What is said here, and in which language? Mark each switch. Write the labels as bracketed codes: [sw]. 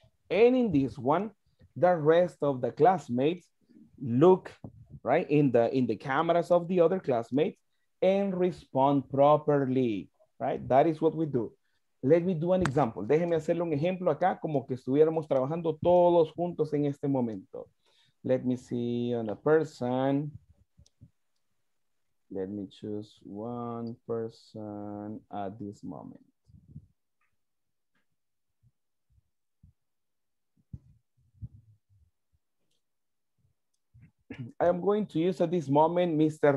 [en] And in this one, the rest of the classmates look, right, in the cameras of the other classmates and respond properly, right? That is what we do. Let me do an example. [es] Déjeme hacerle un ejemplo acá, como que estuviéramos trabajando todos juntos en este momento. [en] Let me see on a person. Let me choose one person at this moment. I am going to use at this moment, Mr.